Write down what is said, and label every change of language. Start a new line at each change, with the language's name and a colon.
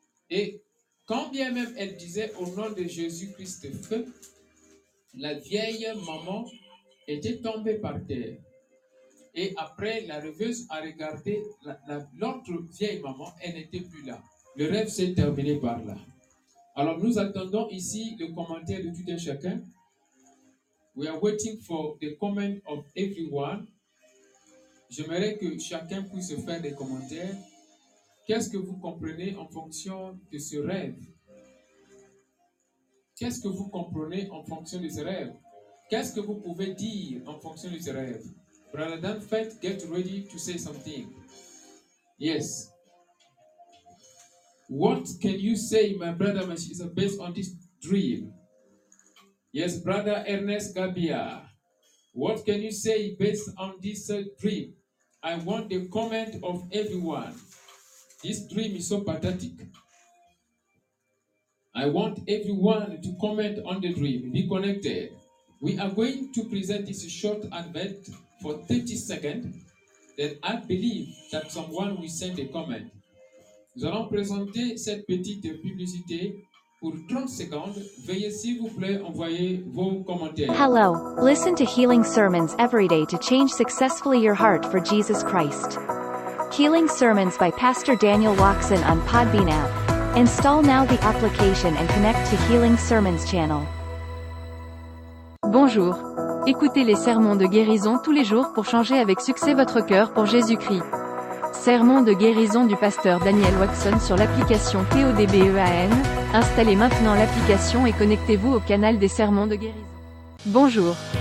French: Et quand bien même elle disait au nom de Jésus-Christ feu, la vieille maman était tombée par terre. Et après, la rêveuse a regardé l'autre vieille maman, elle n'était plus là. Le rêve s'est terminé par là. Alors nous attendons ici le commentaire de tout un chacun.
English: We are waiting for the comment of everyone.
French: J'aimerais que chacun puisse faire des commentaires. Qu'est-ce que vous comprenez en fonction de ce rêve? Qu'est-ce que vous comprenez en fonction de ce rêve? Qu'est-ce que vous pouvez dire en fonction de ce rêve?
English: Brother Dan Fett, get ready to say something. Yes. What can you say, my brother, my sister, based on this dream? Yes, brother Ernest Gabia. What can you say based on this dream? I want the comment of everyone. This dream is so pathetic. I want everyone to comment on the dream. Be connected. We are going to present this short advent for 30 seconds. Then I believe that someone will send a comment.
French: Nous allons présenter cette petite publicité pour 30 secondes. Veuillez s'il vous plaît envoyer vos commentaires.
English: Hello. Listen to healing sermons every day to change successfully your heart for Jesus Christ. Healing Sermons by Pastor Daniel Waxon on Podbean app. Install now the application and connect to Healing Sermons channel.
French: Bonjour. Écoutez les sermons de guérison tous les jours pour changer avec succès votre cœur pour Jésus-Christ. Sermon de guérison du pasteur Daniel Waxon sur l'application PODBEAN. Installez maintenant l'application et connectez-vous au canal des sermons de guérison. Bonjour.